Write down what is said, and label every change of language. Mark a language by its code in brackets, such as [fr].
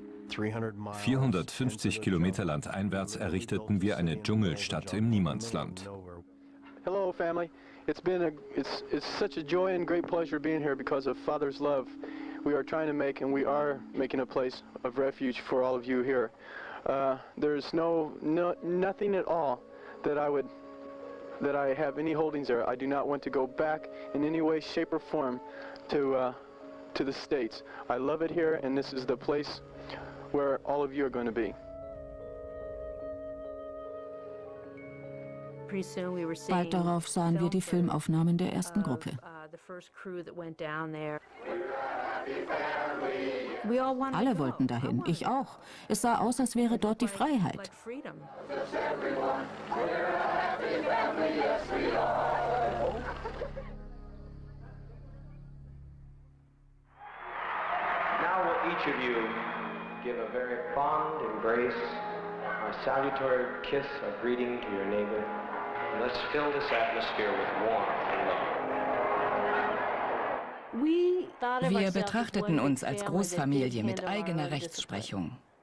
[de] Kilometer landeinwärts errichteten wir eine Dschungelstadt im Niemandsland. [en] Hello family, it's such a joy and great pleasure being here because of Father's love. We are trying to make and we are making a place of refuge for all of you here. There's nothing at all that I have any holdings there. I do not want to go back in any way, shape or form to the States. I love it here and this is the place where all of you are going to be. [de] Bald darauf sahen wir die Filmaufnahmen der ersten Gruppe. Alle wollten dahin, ich auch. Es sah aus, als wäre dort die Freiheit. [en] Now will each of you give a very fond embrace, a salutary kiss of greeting to your neighbor, and let's fill this atmosphere with warmth and love. [de] Wir betrachteten uns als Großfamilie mit eigener Rechtsprechung.